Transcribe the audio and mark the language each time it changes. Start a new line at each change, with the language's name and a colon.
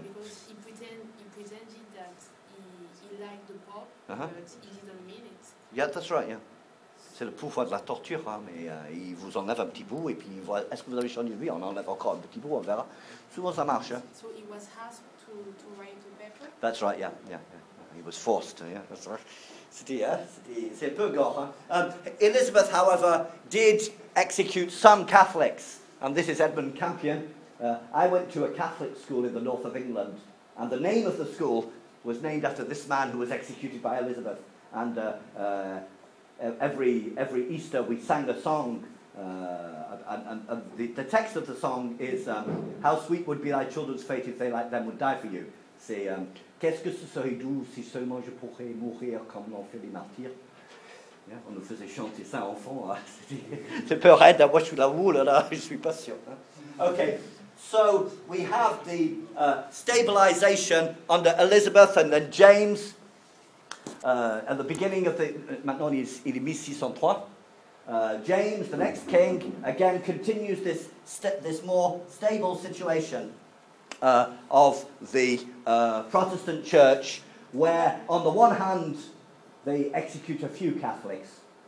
English: Because he pretended that he liked the Pope, but he didn't mean it. Yeah, that's right, yeah.
French: C'est le pouvoir de la torture, hein, mais il vous enlève un petit bout et puis il voit, est-ce que vous avez changé de vie? On enlève encore un petit bout, on verra. Souvent ça marche. Hein.
English: So he was asked to write a paper? That's right, yeah. He was forced, yeah, that's right.
French: C'est un peu gore. Hein.
English: Elizabeth, however, did execute some Catholics. And this is Edmund Campion. I went to a Catholic school in the north of England. And the name of the school was named after this man who was executed by Elizabeth. And every Easter we sang a song, and the text of the song is "How sweet would be thy children's fate if they like them would die for you."
French: C'est qu'est-ce que ce serait doux si seulement je pourrais mourir comme l'ont fait les martyrs. Yeah, on nous faisait chanter ça enfant. Hein. C'est peu raide, moi je l'avoue là, je suis pas sûr. Hein.
English: Okay, so we have the stabilization under Elizabeth and then James. At the beginning of the,
French: maintenant il est 1603,
English: James, the next king, again continues this more stable situation of the Protestant church, where on the one hand they execute a few Catholics,